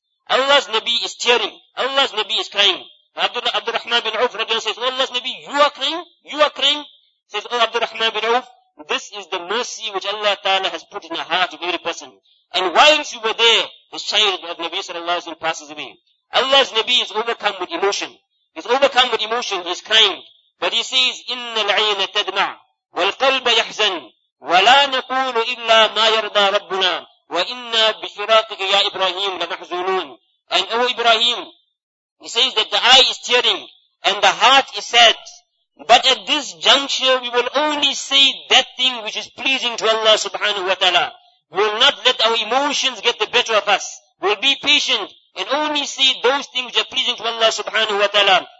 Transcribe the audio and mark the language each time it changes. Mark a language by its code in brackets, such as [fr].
[en] Allah's Nabi is tearing. Allah's Nabi is crying. Abdurrahman bin Auf says, oh Allah's Nabi, you are crying? You are crying? Says, oh Abdurrahman bin Auf, this is the mercy which Allah Ta'ala has put in the heart of every person. And whilst you were there, this child of Nabi sallallahu alayhi wa sallam passes away. Allah's Nabi is overcome with emotion. He's overcome overcome with emotion, he's crying. But he says, [ar] إِنَّ الْعَيْنَ تَدْمَعْ وَالْقَلْبَ يَحْزَنْ وَلَا نَقُولُ إِلَّا مَا يَرْضَى رَبُّنَا وَإِنَّا بِفِرَاقِكَ يَا إِبْرَاهِيمُ لَمَحْزُونُونَ. [en] And oh Ibrahim, he says that the eye is tearing and the heart is sad. But at this juncture, we will only say that thing which is pleasing to Allah subhanahu wa ta'ala. We will not let our emotions get the better of us. We will be patient and only say those things which are pleasing to Allah subhanahu wa ta'ala.